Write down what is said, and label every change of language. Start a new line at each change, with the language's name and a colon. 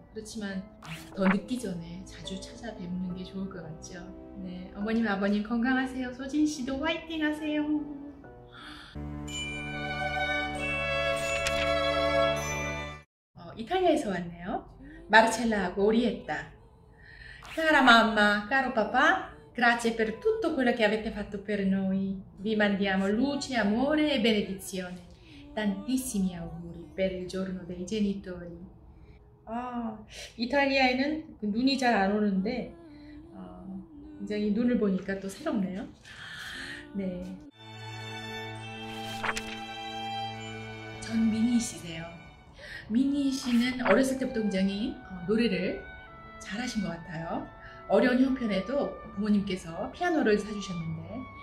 Korean: 그렇지만 더 늦기 전에 자주 찾아뵙는 게 좋을 것 같죠. 네, 어머님, 아버님 건강하세요. 소진 씨도 화이팅 하세요. 이탈리아에서 왔네요. 마르첼라하고 오리에타.
Italian: Cara mamma, caro papà, grazie per tutto quello che avete fatto per noi. Vi mandiamo luce, amore e benedizione. Tantissimi auguri per il giorno dei genitori.
Korean: 이탈리아에는 눈이 잘 안 오는데 굉장히 눈을 보니까 또 새롭네요. 네. 전 미니 씨세요. 미니 씨는 어렸을 때부터 굉장히 노래를 잘하신 것 같아요. 어려운 형편에도 부모님께서 피아노를 사주셨는데